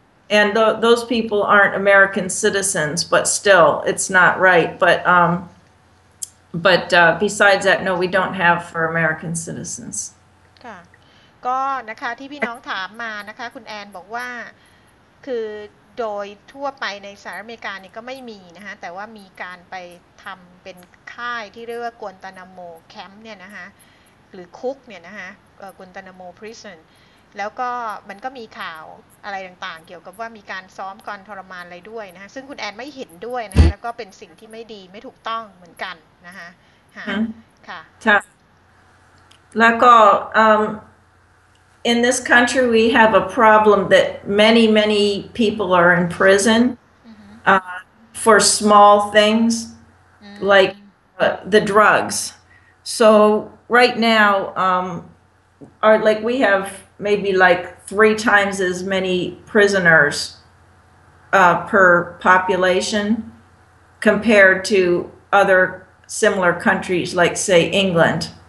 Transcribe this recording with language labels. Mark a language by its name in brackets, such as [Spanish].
[English] And those people aren't American citizens, but still, it's not right. But besides that, no, we don't have for American citizens. [Thai] ค่ะก็นะคะที่พี่น้องถามมานะคะคุณแอนบอกว่าคือโดยทั่วไปในสหรัฐอเมริกานี่ก็ไม่มีนะคะแต่ว่ามีการไปทำเป็นค่ายที่เรียกว่ากวนตานาโมแคมป์เนี่ยนะคะหรือคุกเนี่ยนะคะกุนตานาโมพริซอนแล้วก็มันก็มีข่าวอะไรต่างๆเกี่ยวกับว่ามีการซ้อมการทรมานอะไรด้วยนะคะซึ่งคุณแอนไม่เห็นด้วยนะคะแล้วก็เป็นสิ่งที่ไม่ดีไม่ถูกต้องเหมือนกันนะคะค่ะ ใช่แล้วก็ [English] in this country we have a problem that many, many people are in prison for small things like the drugs. So right now, we have maybe like 3 times as many prisoners per population compared to other similar countries like, say, England.